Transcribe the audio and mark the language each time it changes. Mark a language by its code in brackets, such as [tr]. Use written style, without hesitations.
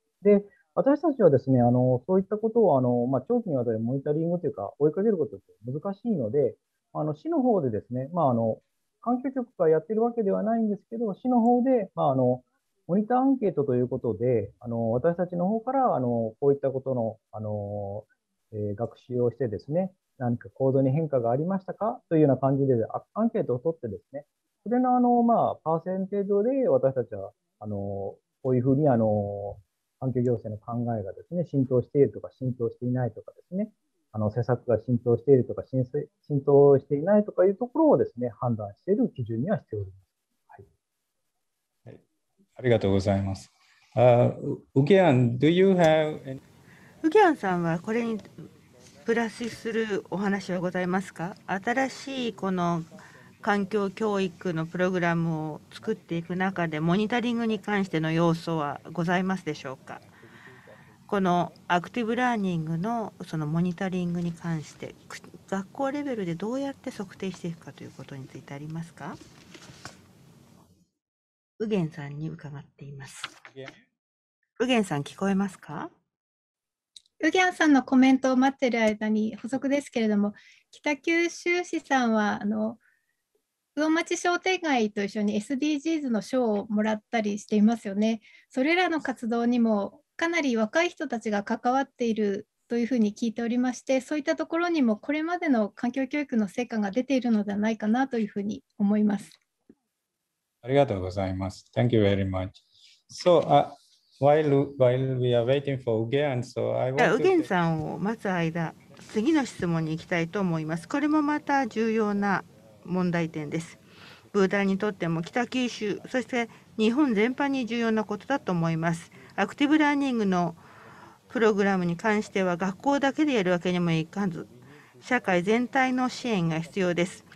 [ja] で、私たちはですね、そういったことを長期にわたりモニタリングというか、追いかけることって難しいので、市の方でですね、環境局がやってるわけではないんですけど、市の方で、モニターアンケートということで、私たちの方から、こういったことの、学習をしてですね、何か行動に変化がありましたかというような感じで、アンケートを取ってですね、それの、パーセンテージで私たちは、こういうふうに、環境行政の考えがですね、浸透しているとか、浸透していないとかですね、施策が浸透しているとか、浸透していないとかいうところをですね、判断している基準にはしております。ありがとうございます。 [en] ウギアン、do you have any... [ja] ウギアンさんはこれにプラスするお話はございますか。新しいこの環境教育のプログラムを作っていく中で、モニタリングに関しての要素はございますでしょうか。このアクティブラーニングのそのモニタリングに関して、学校レベルでどうやって測定していくかということについてありますか。ウゲンさんに伺っています。ウゲンさん聞こえますか。ウゲンさんのコメントを待っている間に補足ですけれども、北九州市さんは魚町商店街と一緒に SDGs の賞をもらったりしていますよね。それらの活動にもかなり若い人たちが関わっているというふうに聞いておりまして、そういったところにもこれまでの環境教育の成果が出ているのではないかなというふうに思います。ありがとうございます。 [en] Thank you very much. So, while we are waiting for Ugen, so I want to... [ja] Ugenさんを待つ間、次の質問に行きたいと思います。これもまた重要な問題点です。ブータンにとっても北九州、そして日本全般に重要なことだと思います。アクティブラーニングのプログラムに関しては学校だけでやるわけにもいかず、社会全体の支援が必要です。